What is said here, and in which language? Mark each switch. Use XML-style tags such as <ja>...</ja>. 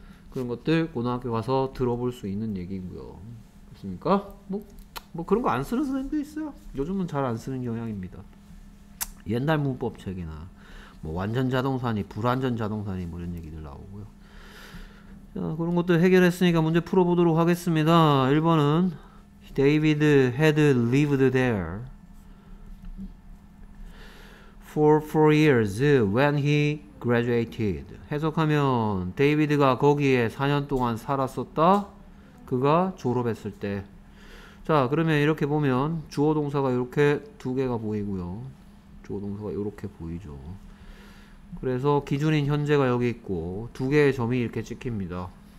<ko>그런 것들 고등학교 가서 들어볼 수 있는 얘기고요. 그렇습니까? 뭐 그런 거 안 쓰는 선생님도 있어요. 요즘은 잘 안 쓰는 경향입니다. 옛날 문법 책이나 뭐 완전 자동사니 불완전 자동사니 뭐 이런 얘기들 나오고요. 자, 그런 것들 해결했으니까 문제 풀어보도록 하겠습니다. 1번은</ko> <en>David had lived there for 4 years when he graduated.</en> <ko>해석하면 데이비드가 거기에 4년 동안 살았었다. 그가 졸업했을 때. 자, 그러면 이렇게 보면 주어 동사가 이렇게 두 개가 보이고요. 주어 동사가 이렇게 보이죠. 그래서 기준인 현재가 여기 있고 두 개의 점이 이렇게 찍힙니다.</ko>